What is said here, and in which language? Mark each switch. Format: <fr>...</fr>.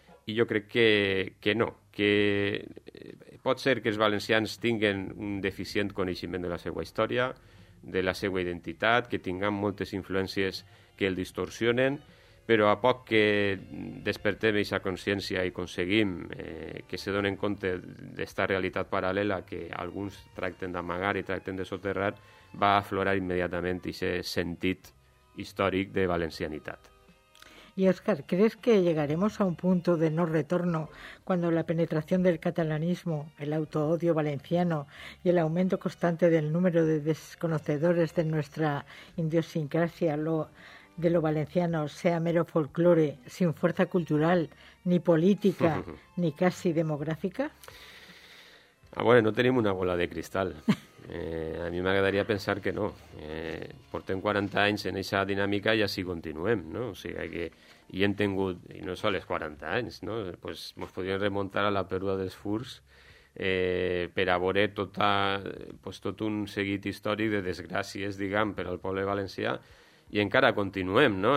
<ca>I jo crec que no, que pot ser que els valencians tinguin un deficient coneixement de la seva història, de la seva identitat, que tinguem moltes influències que el distorsionen, però a poc que despertem aquesta consciència i aconseguim que se donen compte d'aquesta realitat paral·lela que alguns tracten d'amagar i tracten de soterrar, va aflorar immediatament aquest sentit històric de valencianitat.</ca> <es>Y Óscar, ¿crees que llegaremos a un punto de no retorno cuando la penetración del catalanismo, el autoodio valenciano y el aumento constante del número de desconocedores de nuestra idiosincrasia de lo valenciano sea mero folclore sin fuerza cultural, ni política, ni casi demográfica? Ah, bueno, no tenemos una bola de cristal.</es> <ca>A mi m'agradaria pensar que no. Portem 40 anys en aquesta dinàmica i així continuem, no? O sigui, que hi hem tingut, i no sols 40 anys, no? Pues mos podríem remuntar a la pèrdua dels furs per a veure tot un seguit històric de desgràcies, diguem, per al poble valencià, i encara continuem, no?</ca>